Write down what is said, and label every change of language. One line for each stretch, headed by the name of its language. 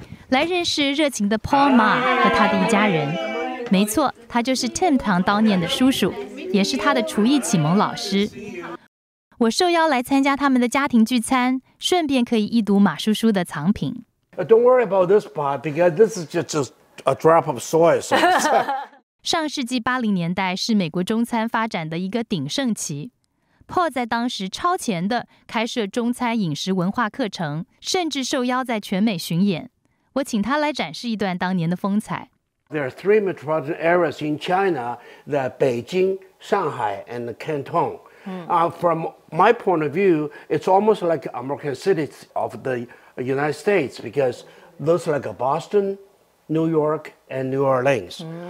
Chinese: 来认识热情的 Paul Ma 和他的一家人。没错，他就是 Tim 堂当年的叔叔，也是他的厨艺启蒙老师。我受邀来参加他们的家庭聚餐，顺便可以一睹马叔叔的藏品。
English: Don't worry about this part because this is just a drop of soy sauce.
Chinese: 上世纪80年代是美国中餐发展的一个鼎盛期。 Paul 在当时超前的开设中餐饮食文化课程，甚至受邀在全美巡演。我请他来展示一段当年的风采。
English: There are three metropolitan areas in China: the Beijing, Shanghai, and Canton. From my point of view, it's almost like American cities of the. United States, because those are like Boston, New York, and New Orleans.